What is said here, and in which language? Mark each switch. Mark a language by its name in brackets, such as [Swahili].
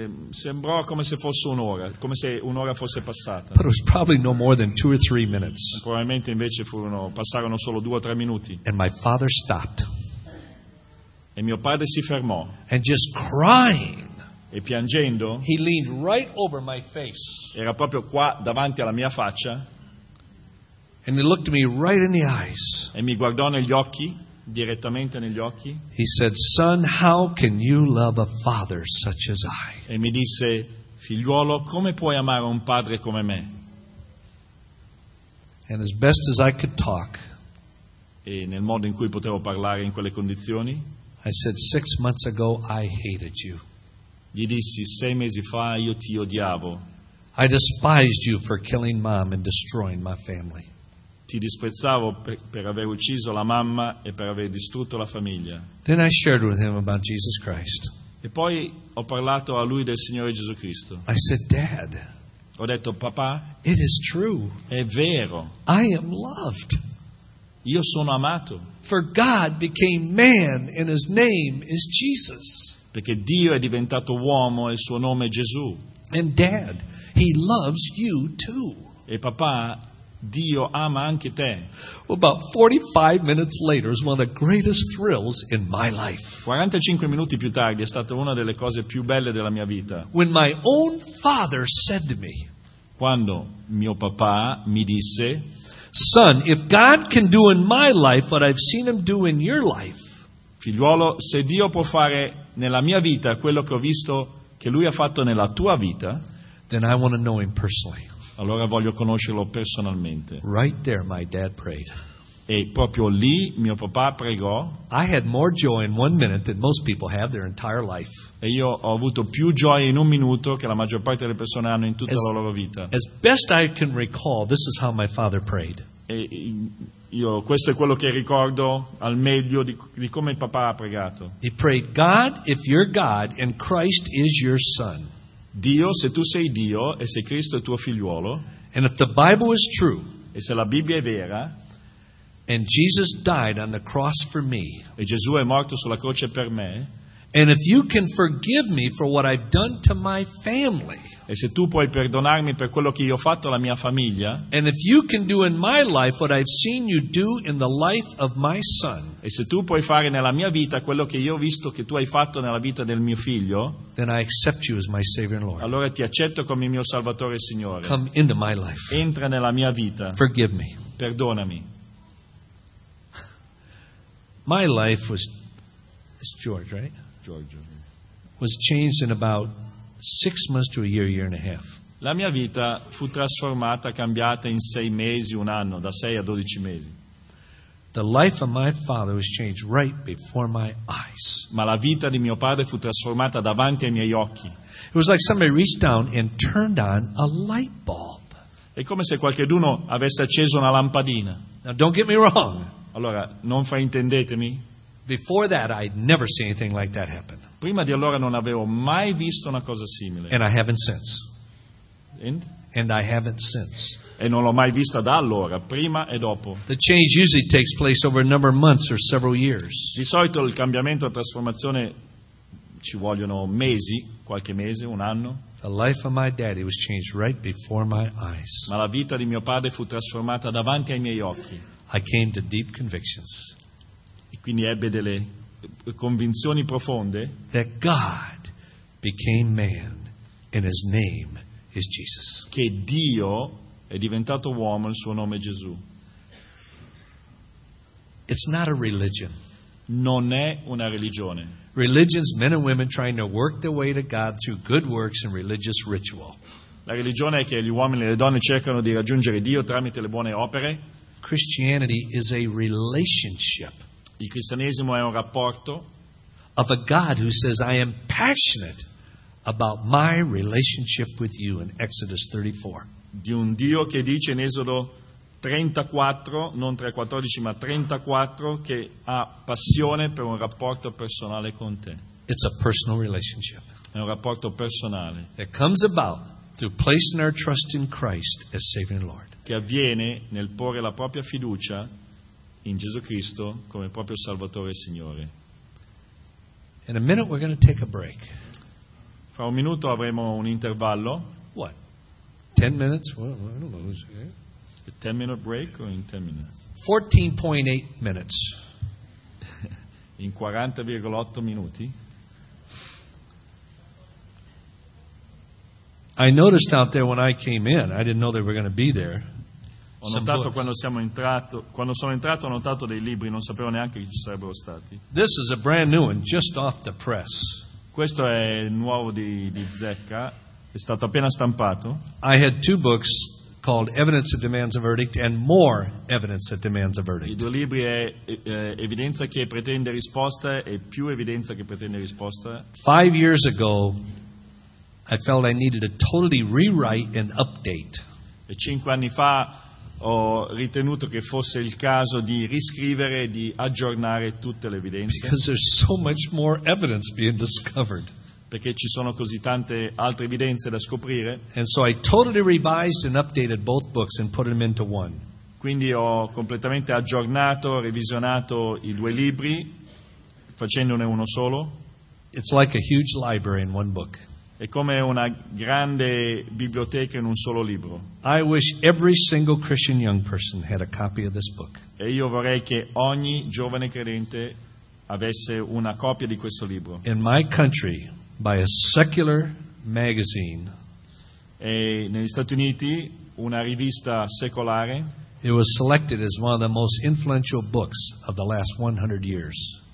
[Italian] Sembrò come se fosse un'ora, come se un'ora fosse passata. [English] But it was probably no more than 2 or 3 minutes. [Italian] Probabilmente invece passarono solo 2 o 3 minuti. [English] And my father stopped. [Italian] E mio padre si fermò. [English] And just crying. [Italian] E piangendo. [English] He leaned right over my face. [Italian] Era proprio qua davanti alla mia faccia. [English] And he looked me right in the eyes. [Italian] E mi guardò negli occhi. Direttamente negli occhi. [English] He said, "Son, how can you love a father such as I?" [Italian] E mi disse, figliuolo, come puoi amare un padre come me? [English] And as best as I could talk, [Italian] e nel modo in cui potevo parlare in quelle condizioni, [English] I said, 6 months ago I hated you. [Italian] Gli dissi, 6 mesi fa io ti odiavo. [English] I despised you for killing mom and destroying my family. [Italian] Ti disprezzavo per aver ucciso la mamma e per aver distrutto la famiglia. [English] Then I shared with him about Jesus Christ. [Italian] E poi ho parlato a lui del Signore Gesù Cristo. [English] I said, "Dad." [Italian] Ho detto, papà. [English] It is true. [Italian] È vero. [English] I am loved. [Italian] Io sono amato. [English] For God became man, and His name is Jesus. [Italian] Perché Dio è diventato uomo e il suo nome è Gesù. [English] And Dad, He loves you too. [Italian] E papà. Dio ama anche te. [English] About 45 minutes later is one of the greatest thrills in my life. [Italian] 45 minuti più tardi è stata una delle cose più belle della mia vita. [English] When my own father said to me, [Italian] quando mio papà mi disse, [English] "Son, if God can do in my life what I've seen him do in your life." [Italian] Figliuolo, se Dio può fare nella mia vita quello che ho visto che lui ha fatto nella tua vita, [English] then I want to know him personally. [Italian] Allora voglio conoscerlo personalmente. [English] Right there my dad prayed. [Italian] E proprio lì mio papà pregò. [English] I had more joy in 1 minute than most people have their entire life. [Italian] E io ho avuto più gioia in 1 minuto che la maggior parte delle persone hanno in tutta la loro vita. [English] As best I can recall, this is how my father prayed. [Italian] E io questo è quello che ricordo al meglio di come il papà ha pregato. [English] He prayed, "God, if you're God and Christ is your son." [Italian] Dio, se tu sei Dio e se Cristo è tuo figliuolo, [English] and if the Bible is true, [Italian] e se la Bibbia è vera, [English] and Jesus died on the cross for me, [Italian] e Gesù è morto sulla croce per me, [English] and if you can forgive me for what I've done to my family, [Italian] e se tu puoi perdonarmi per quello che io ho fatto alla mia famiglia, [English] and if you can do in my life what I've seen you do in the life of my son, [Italian] e se tu puoi fare nella mia vita quello che io ho visto che tu hai fatto nella vita del mio figlio, [English] then I accept you as my Savior and Lord. [Italian] Allora ti accetto come mio Salvatore e Signore. [English] Come into my life. [Italian] Entra nella mia vita. [English] Forgive me. [Italian] Perdonami. [English] My life was, it's George, right? Georgia. Was changed in about 6 months to a year, year and a half. [Italian] La mia vita fu trasformata, cambiata in 6 mesi, un anno, da 6 a 12 mesi. [English] The life of my father was changed right before my eyes. [Italian] Ma la vita di mio padre fu trasformata davanti ai miei occhi. [English] It was like somebody reached down and turned on a light bulb. [Italian] È come se qualcuno avesse acceso una lampadina. [English] Now don't get me wrong. [Italian] Allora non fraintendetemi. [English] Before that, I'd never seen anything like that happen. [Italian] Prima di allora non avevo mai visto una cosa simile. [English] And I haven't since. And? And I haven't since. [Italian] E non l'ho mai vista da allora, prima e dopo. [English] The change usually takes place over a number of months or several years. [Italian] Di solito il cambiamento, la trasformazione ci vogliono mesi, qualche mese, un anno. [English] The life of my daddy was changed right before my eyes. [Italian] Ma la vita di mio padre fu trasformata davanti ai miei occhi. [English] I came to deep convictions. [Italian] E quindi ebbe delle convinzioni profonde. [English] That God became man, and His name is Jesus. [Italian] Che Dio è diventato uomo, il suo nome è Gesù. [English] It's not a religion. [Italian] Non è una religione. [English] Religions, men and women trying to work their way to God through good works and religious ritual. [Italian] La religione è che gli uomini e le donne cercano di raggiungere Dio tramite le buone opere. [English] Christianity is a relationship. [Italian] Il cristianesimo è un rapporto [English] of a God who says, "I am passionate about my relationship with you," in Exodus 34. [Italian] Di un Dio che dice in Esodo 34, non 3:14, ma 34, che ha passione per un rapporto personale con te. [English] It's a personal relationship. [Italian] È un rapporto personale. [English] It comes about through placing our trust in Christ as Savior and Lord. [Italian] Che avviene nel porre la propria fiducia in Gesù Cristo come proprio Salvatore e Signore. [English] In a minute we're going to take a break. [Italian] Fra un minuto avremo un intervallo. [English] What? 10 minutes? Well, I don't know. Okay. A 10-minute break or in 10 minutes? 14.8 minutes. [Italian] In 40,8 minuti. [English] I noticed out there when I came in, I didn't know they were going to be there. [Italian] Ho notato quando sono entrato, ho notato dei libri, non sapevo neanche che ci sarebbero stati. [English] This is a brand new one, just off the press. [Italian] Questo è nuovo di Zecca, è stato appena stampato. [English] I had two books called Evidence That Demands a Verdict and More Evidence That Demands a Verdict. [Italian] I due libri è Evidenza che pretende risposta e Più evidenza che pretende risposta. [English] 5 years ago, I felt I needed a totally rewrite and update. [Italian] E 5 anni fa ho ritenuto che fosse il caso di riscrivere e di aggiornare tutte le evidenze. [English] Because there's so much more evidence being discovered. [Italian] Perché ci sono così tante altre evidenze da scoprire. [English] And so I totally revised and updated both books and put them into one. [Italian] Quindi ho completamente aggiornato, revisionato i due libri, facendone uno solo. [English] It's like a huge library in one book. [Italian] È come una grande biblioteca in un solo libro. [English] I wish every single Christian young person had a copy of this book. [Italian] E io vorrei che ogni giovane credente avesse una copia di questo libro. [English] In my country, by a secular magazine. [Italian] E negli Stati Uniti una rivista secolare. [English] It was selected as one of the most influential books of the last 100 years.